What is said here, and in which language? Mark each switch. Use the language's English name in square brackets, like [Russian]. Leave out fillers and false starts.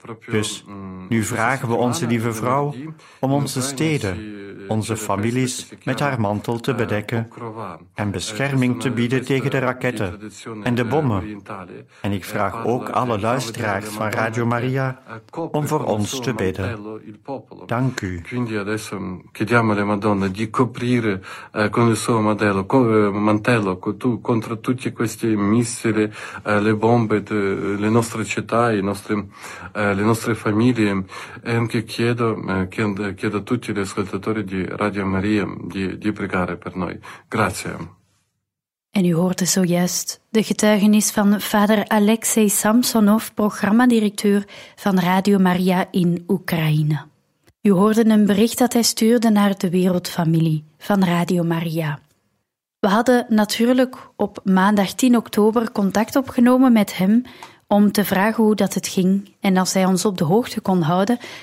[Dutch] Dus nu vragen we onze lieve vrouw om onze steden, onze families, met haar mantel te bedekken en bescherming te bieden tegen de raketten en de bommen. En ik vraag ook alle luisteraars van Radio Maria om voor ons te bidden. Dank u. [Italian] Quindi adesso chiediamo alla Madonna di coprire con il suo mantello contro tutti questi missili, le bombe, le nostre città, le nostre famiglie. E anche chiedo a tutti gli ascoltatori di Radio Maria di pregare per noi. Grazie. [Dutch] En u hoort dus zojuist de getuigenis van vader Alexei Samsonov, programmadirecteur van Radio Maria in Oekraïne. U hoorde een bericht dat hij stuurde naar de wereldfamilie van Radio Maria. We hadden natuurlijk op maandag 10 oktober contact opgenomen met hem om te vragen hoe dat het ging en als hij ons op de hoogte kon houden.